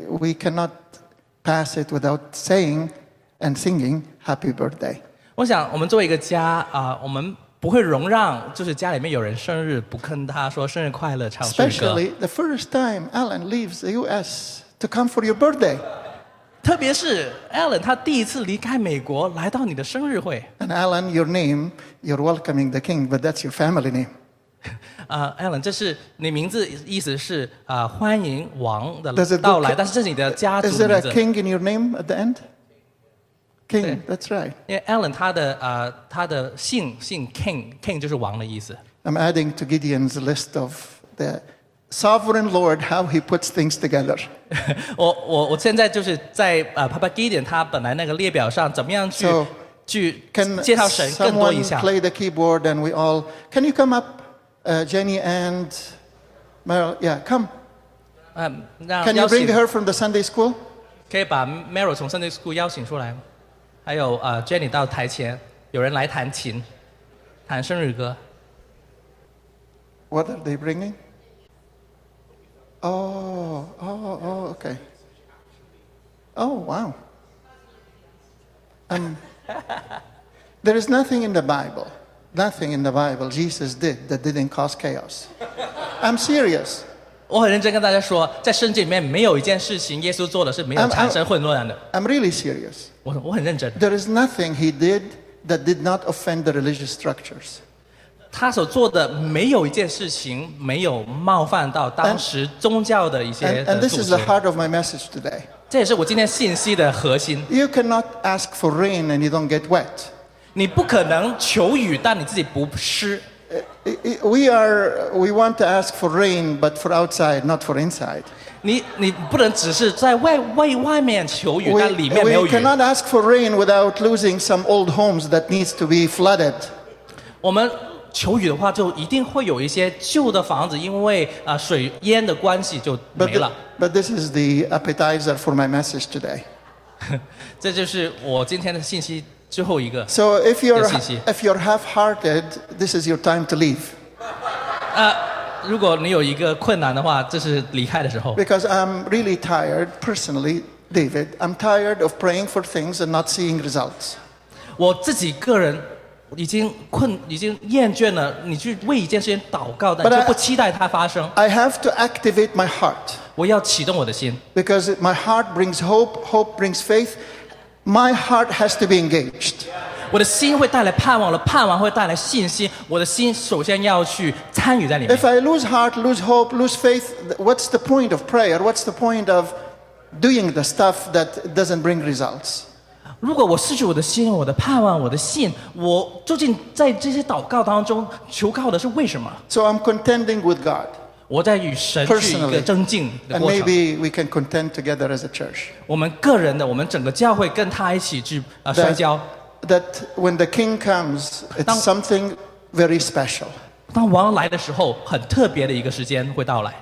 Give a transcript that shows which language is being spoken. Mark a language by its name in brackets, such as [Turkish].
[English] We cannot pass it without saying and singing happy birthday. [Chinese] 我想我们作为一个家我们不会容让就是家里面有人生日不跟他说生日快乐唱生日歌。 [English] Especially the first time Alan leaves the US to come for your birthday. [Chinese] 特别是 Alan 他第一次离开美国来到你的生日会。 [English] And Alan, your name, you're welcoming the king, but that's your family name. [Chinese] Alan, 这是你名字意思是欢迎王的到来但是这是你的家族名字 [English] Is there a king in your name at the end? King, that's right. [Chinese] 因为 Alan 他的姓 King, King 就是王的意思 [English] I'm adding to Gideon's list of the sovereign Lord, how he puts things together. [Chinese] 我现在就是在Papa Gideon 他本来那个列表上怎么样去 [English] can [Chinese] 介绍神更多一下 [English] Can someone play the keyboard and we all Can you come upJenny and Meryl, yeah, come. Can you bring her from the Sunday school? [Chinese] 可以把 Meryl 从 Sunday school 邀请出来。还有Jenny 到台前，有人来弹琴，弹生日歌。 [English] What are they bringing? Oh, okay. Oh, wow. There is nothing in the Bible. Nothing in the Bible Jesus did that didn't cause chaos. I'm serious. [Chinese] 我很认真跟大家说，在圣经里面没有一件事情耶稣做的是没有产生混乱的。 [English] I'm really serious. [Chinese] 我很认真。 [English] There is nothing he did that did not offend the religious structures. [Chinese] 他所做的没有一件事情没有冒犯到当时宗教的一些的组织。 [English] And this is the heart of my message today. [Chinese] 这也是我今天信息的核心。 [English] You cannot ask for rain and you don't get wet. [Chinese] 你不可能求雨，但你自己不湿。 [English] We want to ask for rain, but for outside, not for inside. [Chinese] 你不能只是在外面求雨，但里面没有雨。 [English] We cannot ask for rain without losing some old homes that needs to be flooded. [Chinese] 我们求雨的话，就一定会有一些旧的房子，因为水淹的关系就没了。 [English] But this is the appetizer for my message today. [Chinese] 这就是我今天的信息。最后一个 [English] so if you're half-hearted, this is your time to leave. [Chinese] 如果你有一个困难的话，这是离开的时候。 [English] Because I'm really tired, personally, David. I'm tired of praying for things and not seeing results. [Chinese] 我自己个人已经厌倦了你去为一件事情祷告，但就不期待它发生。 [English] I have to activate my heart. [Chinese] 我要启动我的心。 [English] Because my heart brings hope, hope brings faith. My heart has to be engaged. [Chinese] 我的心会带来盼望了，盼望会带来信心。我的心首先要去参与在里面。 [English] If I lose heart, lose hope, lose faith, what's the point of prayer? What's the point of doing the stuff that doesn't bring results? [Chinese] 如果我失去我的心、我的盼望、我的信，我究竟在这些祷告当中求告的是为什么？ [English] So I'm contending with God. [Chinese] 我在与神去一个争竞的过程。 [English] And maybe we can contend together as a church. [Chinese] 我们个人的，我们整个教会跟他一起去摔跤。 [English] That when the king comes, it's something very special. [Chinese] 当王来的时候，很特别的一个时间会到来。